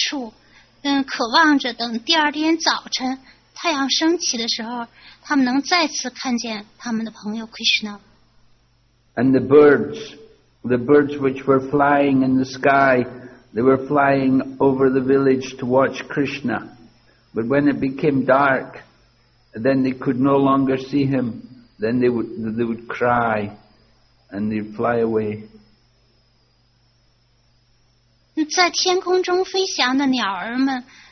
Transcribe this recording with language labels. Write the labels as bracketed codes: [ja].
[zh] 这些森林里的动物就没有Krishna，他们哪儿也不想去，所以他们就等在这个村子的入口处，渴望着等第二天早晨 太阳升起的时候，他们能再次看见他们的朋友Krishna。 [en] And the birds which were flying in the sky, they were flying over the village to watch Krishna. But when it became dark, then they could no longer see him. Then they would cry, and they'd fly away. [zh] 在天空中飞翔的鸟儿们。